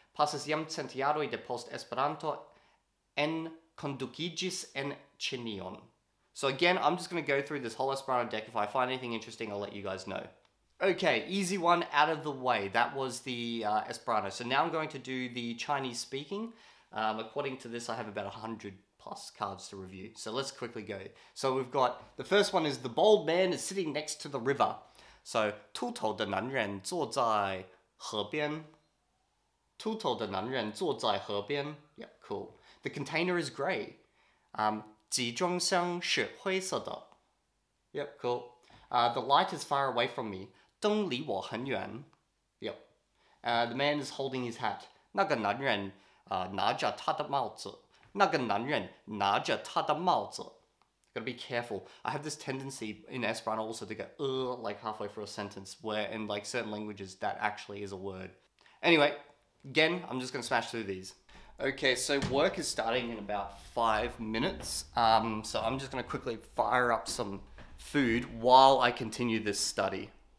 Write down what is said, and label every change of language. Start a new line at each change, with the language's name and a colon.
Esperanto: Pasis jam cent jaroj de post Esperanto enkondukigis en Ĉinion.
English: So again, I'm just going to go through this whole Esperanto deck. If I find anything interesting, I'll let you guys know. Okay, easy one out of the way. That was the Esperanto. So now I'm going to do the Chinese speaking. According to this, I have about 100 plus cards to review. So let's quickly go. So we've got, the first one is the bald man is sitting next to the river.
Chinese: So, 秃头的男人坐在河边. 秃头的男人坐在河边.
English: Yep, cool. The container is grey.
Chinese: 集装箱是灰色的.
English: Yep, cool. The light is far away from me.
Chinese: 灯离我很远.
English: Yep. The man is holding his hat.
Chinese: 那个男人拿着他的帽子.那个男人拿着他的帽子.
English: Gotta be careful. I have this tendency in Esperanto also to go like halfway through a sentence, where in like certain languages that actually is a word. Anyway, again, I'm just gonna smash through these. Okay, so work is starting in about 5 minutes. So I'm just gonna quickly fire up some food while I continue this study.